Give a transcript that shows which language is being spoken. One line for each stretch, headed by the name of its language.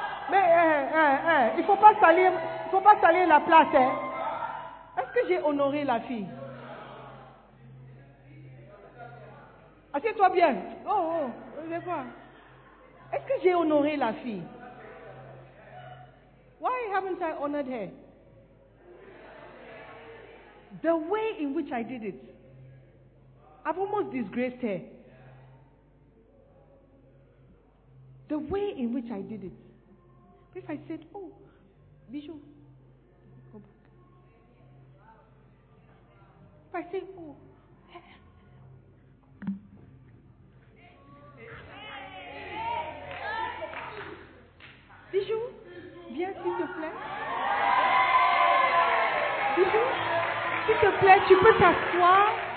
French: Mais il faut pas salir, il faut pas salir la place. Hein. Est-ce que j'ai honoré la fille? Assieds-toi bien. Oh, je vais voir. Est-ce que j'ai honoré la fille?
English: Why haven't I honored her? The way in which I did it, I've almost disgraced her. The way in which I did it. If I said, oh, Bijou, go back. If I say, oh, Bijou,
French: viens s'il te plaît. Bijou, s'il te plaît, tu peux t'asseoir.